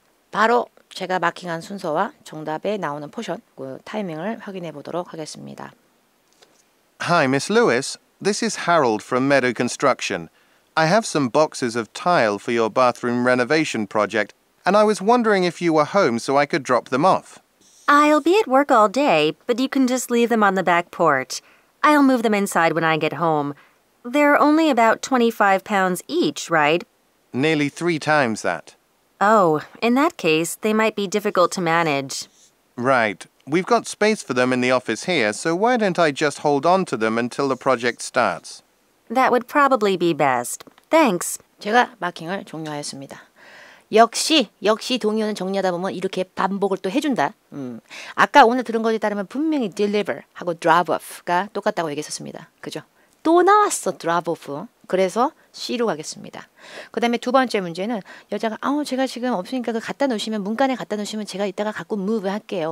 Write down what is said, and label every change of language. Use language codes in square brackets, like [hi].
[ko] 바로 제가 마킹한 순서와 정답에 나오는 포션, 그 타이밍을 확인해 보도록 하겠습니다. [en] Hi, Miss Lewis. This is Harold from Meadow Construction. I have some boxes of tile for your bathroom renovation project, and I was wondering if you were home so I could drop them off. I'll be at work all day, but you can just leave them on the back porch. I'll move them inside when I get home. They're only about 25 pounds each, right? Nearly three times that. Oh, in that case, they might be difficult to manage. Right. We've got space for them in the office here, so why don't I just hold on to them until the project starts? That would probably be best. Thanks. [ko] 제가 마킹을 종료하였습니다. 역시 동의어는 정리하다 보면 이렇게 반복을 또 해준다. 아까 오늘 들은 것에 따르면 분명히 deliver 하고 drop off 가 똑같다고 얘기했었습니다. 그죠? 또 나왔어, drop off. 그래서 C로 가겠습니다. 그 다음에 두 번째 문제는 여자가 아우 제가 지금 없으니까 그 갖다 놓으시면 문간에 갖다 놓으시면 제가 이따가 갖고 move 할게요.